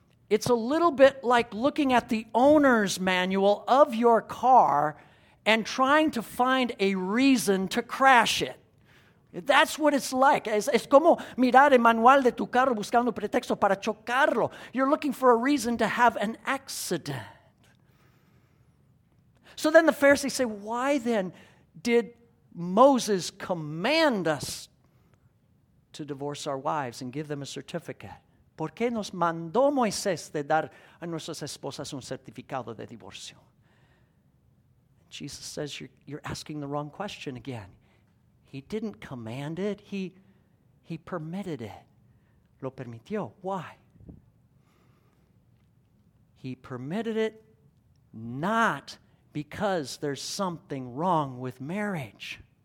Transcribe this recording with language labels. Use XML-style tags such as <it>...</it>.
<en>It's a little bit like looking at the owner's manual of your car and trying to find a reason to crash it. That's what it's like.</en> <es>Es como mirar el manual de tu carro buscando pretexto para chocarlo.</es> <en>You're looking for a reason to have an accident. So then the Pharisees say, why then did Moses command us to divorce our wives and give them a certificate?</en> <es>¿Por qué nos mandó Moisés de dar a nuestras esposas un certificado de divorcio?</es> <en>Jesus says, you're asking the wrong question again. He didn't command it. He permitted it.</en> <es>Lo permitió.</es> <en>Why? He permitted it not because there's something wrong with marriage.</en>